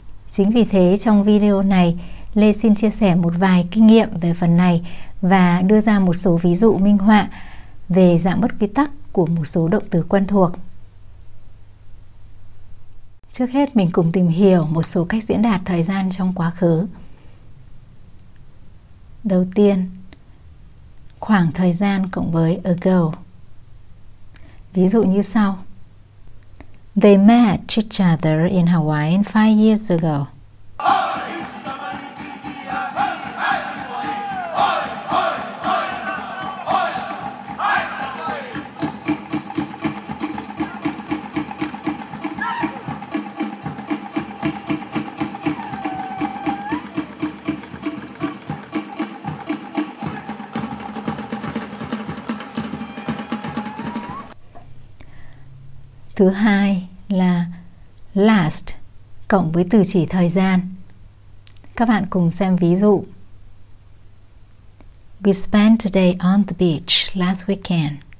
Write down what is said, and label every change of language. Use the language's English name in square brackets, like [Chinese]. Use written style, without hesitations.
[Vietnamese] Chính vì thế trong video này, Lê xin chia sẻ một vài kinh nghiệm về phần này và đưa ra một số ví dụ minh họa về dạng bất quy tắc của một số động từ quen thuộc. Trước hết, mình cùng tìm hiểu một số cách diễn đạt thời gian trong quá khứ. Đầu tiên, khoảng thời gian cộng với ago. Ví dụ như sau. [English] They met each other in Hawaii 5 years ago. [Vietnamese] Thứ hai là last cộng với từ chỉ thời gian. Các bạn cùng xem ví dụ. [English] We spent a day on the beach last weekend.